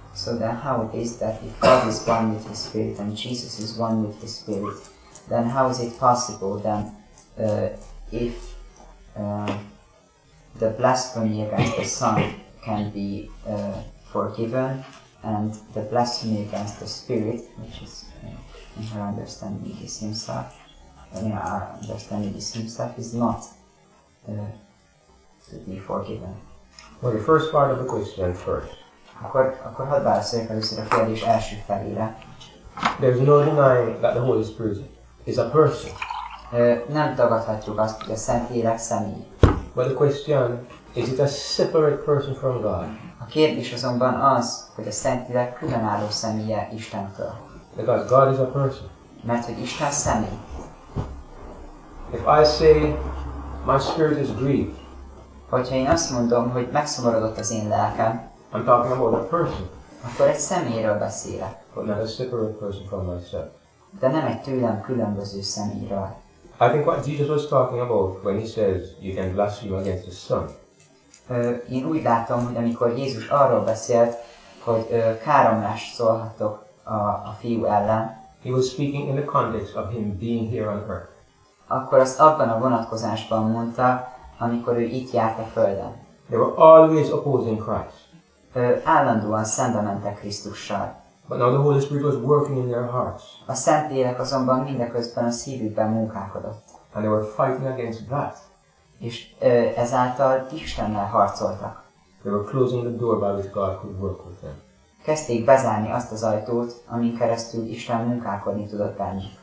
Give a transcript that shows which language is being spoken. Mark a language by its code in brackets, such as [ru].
[en] So then how it is that if God is one with His Spirit and Jesus is one with His Spirit, then how is it possible then if the blasphemy against the Son can be forgiven and the blasphemy against the Spirit, which is in her understanding is Himself, in our understanding is Himself, is not to be forgiven? Well, the first part of the question first. [hu] Akkor hadd válaszoljak először a kérdés első felére. [en] There's no denying that the Holy Spirit is a person. [hu] Nem tagadhatjuk azt, hogy a Szentlélek személy. [en] But the question, is it a separate person from God? [hu] A kérdés azonban az, hogy a Szentlélek különálló személye Istentől. [en] Because God is a person. [hu] Mert hogy Isten személy. [en] If I say, my spirit is grieved. [hu] Hogyha én azt mondom, hogy megszomorodott az én lelkem, [en] I'm talking about a person. [hu] Akkor egy személyről beszélek. [en] But not a separate person from myself. [hu] De nem egy tőlem különböző személyről. [en] I think what Jesus was talking about when he says you can blaspheme against the Son. [hu] Én úgy látom, hogy amikor Jézus arról beszélt, hogy káromlást szólhatok a fiú ellen. [en] He was speaking in the context of him being here on earth. [hu] Akkor azt abban a vonatkozásban mondta, amikor ő itt járt a Földön. [en] They were always opposing Christ. [hu] Állandóan szembe mentek Krisztussal. [en] But now the Holy Spirit was working in their hearts. [hu] A Szentlélek azonban mindeközben a szívükben munkálkodott. [en] And they were fighting against God. [hu] És ezáltal Istennel harcoltak. [en] They were closing the door by which God could work with them. [hu] Kezdték bezárni azt az ajtót, amin keresztül Isten munkálkodni tudott benni.